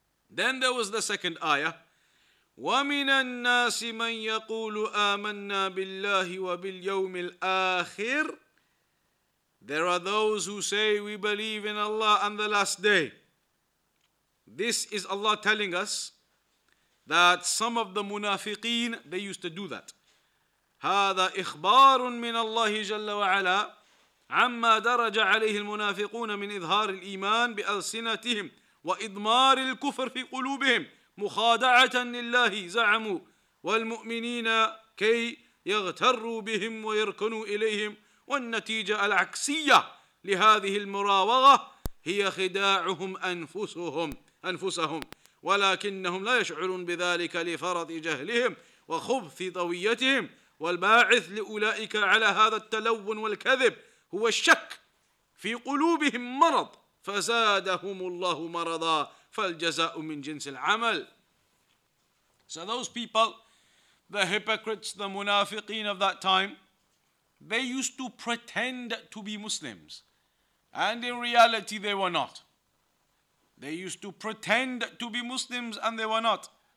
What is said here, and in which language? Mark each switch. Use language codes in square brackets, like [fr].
[en] Then there was the second ayah. [ar] وَمِنَ النَّاسِ مَنْ يَقُولُ آمَنَّا بِاللَّهِ وَبِالْيَوْمِ الْآخِرِ. [en] There are those who say we believe in Allah and the last day. This is Allah telling us that some of the munafiqeen, they used to do that. [ar] هذا إخبار من الله جل وعلا عما درج عليه المنافقون من إظهار الإيمان بألسنتهم وإضمار الكفر في قلوبهم مخادعة لله زعموا والمؤمنين كي يغتروا بهم ويركنوا إليهم. والنتيجة العكسية لهذه المراوغة هي خداعهم أنفسهم ولكنهم لا يشعرون بذلك لفرط جهلهم وخبث طويتهم والباعث لأولئك على هذا التلون والكذب هو الشك في قلوبهم مرض فزادهم الله مرضا فالجزاء من جنس العمل. [en] So those people, the hypocrites, the munafiqeen of that time, they used to pretend to be Muslims. And in reality, they were not. They used to pretend to be Muslims and they were not.